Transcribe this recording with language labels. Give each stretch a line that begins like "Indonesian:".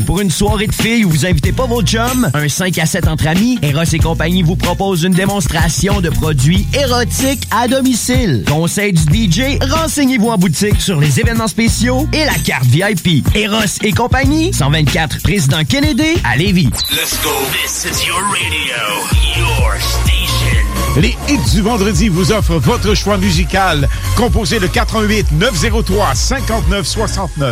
French: Pour une soirée de filles où vous invitez pas vos chums, un 5 à 7 entre amis, Eros et compagnie vous propose une démonstration de produits érotiques à domicile. Conseil du DJ, renseignez-vous en boutique sur les événements spéciaux et la carte VIP. Eros et compagnie, 124 président Kennedy, à Lévis.
English: Let's go, this is your radio, your station.
French: Les hits du vendredi vous offrent votre choix musical, composé de 418-903-5969.